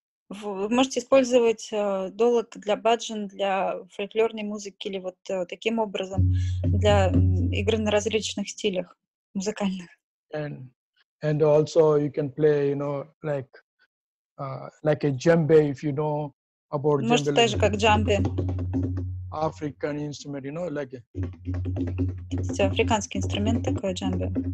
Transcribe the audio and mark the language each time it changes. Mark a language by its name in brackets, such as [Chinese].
[Russian] Вы можете использовать долог для баджан, для фольклорной музыки или вот таким образом для игры на различных стилях музыкальных. [English] And also you can play, you know, like a djembe, if you know about djembe. [Russian] Можете также как джамбе. [English] African instrument, you know, like. [Russian] Это африканский инструмент такой джамбе.